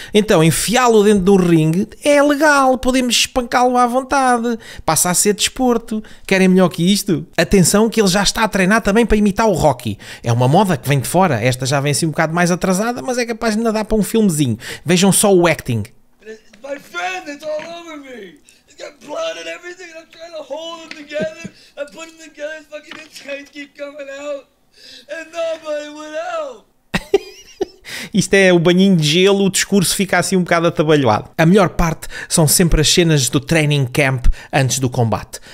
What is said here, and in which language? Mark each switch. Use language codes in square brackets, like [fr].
[pt] Então, enfiá-lo dentro de um ringue é legal, podemos espancá-lo à vontade. Passa a ser desporto. Querem melhor que isto? Atenção que ele já está a treinar também para imitar o Rocky. É uma moda que vem de fora, esta já vem assim um bocado mais atrasada, mas é capaz de ainda dar para um filmezinho. Vejam só o acting. [en] My friend, it's all over me! It's got blood and everything, and I'm trying to hold them together. I put them together, and fucking insides keep coming out. And nobody would help! [pt] Isto é o banhinho de gelo, o discurso fica assim um bocado atabalhoado. A melhor parte são sempre as cenas do training camp antes do combate.